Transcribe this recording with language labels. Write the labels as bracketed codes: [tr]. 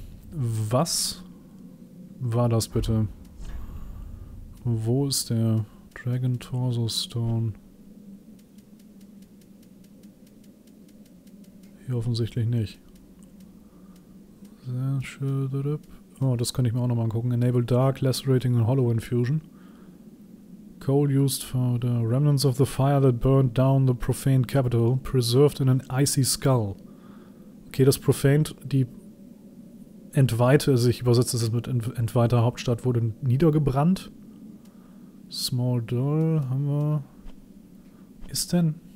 [de] Was war das bitte? Wo ist der Dragon Torso Stone? Hier offensichtlich nicht. Sehr schön. Oh, das könnte ich mir auch nochmal angucken. [en] Enable Dark, Lacerating and Hollow Infusion. Coal used for the remnants of the fire that burned down the profaned capital, preserved in an icy skull. [de] Okay, das profaned, die entweihte, also ich übersetze es mit entweihter Hauptstadt, wurde niedergebrannt. Small Doll haben wir. Ist denn?